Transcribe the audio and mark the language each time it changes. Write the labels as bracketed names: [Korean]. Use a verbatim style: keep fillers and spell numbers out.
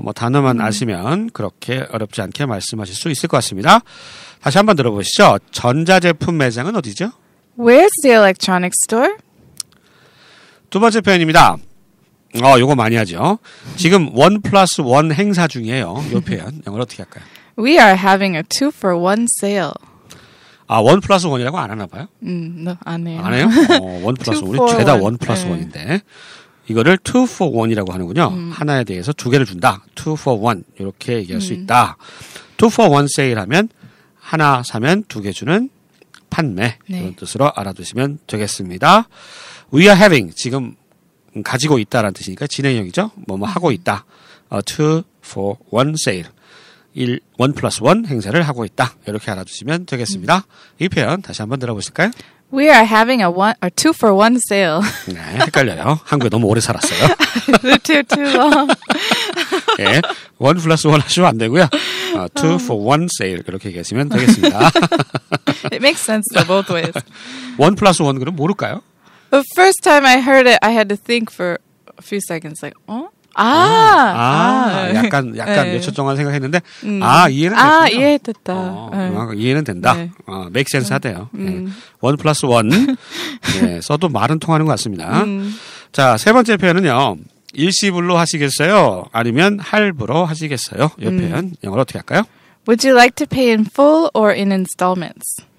[Korean] 뭐 단어만 아시면 그렇게 어렵지 않게 말씀하실 수 있을 것 같습니다. 다시 한번 들어보시죠. 전자제품 매장은 어디죠? [English] Where's the electronic store? [Korean] 두 번째 표현입니다. 어, 요거 많이 하죠. 지금 원 플러스 원 행사 중이에요. 요 표현. 영어로 어떻게 할까요? [English] We are having a two for one sale. [Korean] 아, 원 플러스 원이라고 안 하나 봐요? 음, no, 안 해요. 안 해요? 어, 원 플러스 [English] Two [Korean] 원이 [English] for [Korean] 죄다 [English] one. [Korean] 원 플러스 네. 원인데 이거를 two for one이라고 하는군요. 하나에 대해서 두 개를 준다. two for one 이렇게 얘기할 수 있다. two for one 세일 하면 하나 사면 두 개 주는 판매 네. 이런 뜻으로 알아두시면 되겠습니다. [English] We are having [Korean] 지금 가지고 있다라는 뜻이니까 진행형이죠. 뭐뭐 하고 있다. [English] 어, two for one 세일. [Korean] 일, 원 플러스 원 행사를 하고 있다. 이렇게 알아두시면 되겠습니다. 이 표현 다시 한번 들어보실까요? [English] We are having a one or two for one sale. [Korean] 네, 헷갈려요. 한국에 너무 오래 살았어요. [English] too too long. [Korean] 예. 원 플러스 원 하시면 안 되고요. [English] 어, two for one sale. [Korean] 그렇게 얘기하시면 되겠습니다. [English] It makes sense though, both ways. [Korean] 원 플러스 원 그럼 모를까요? [English] The first time I heard it, I had to think for a few seconds. Like, 어? 아, [Korean] 아, 약간, 약간 네. 몇 초 동안 생각했는데, 음. 아, 이해는 됐군요. 아, 이해됐다. 어, 네. 아, 이해는 된다. 네. 어, make sense 하대요. 예. 원 플러스 원. 예, 써도 말은 통하는 것 같습니다. 자, 세 번째 표현은요. 일시불로 하시겠어요? 아니면 할부로 하시겠어요? 이 표현, 영어로 어떻게 할까요? [English] Would you like to pay in full or in installments?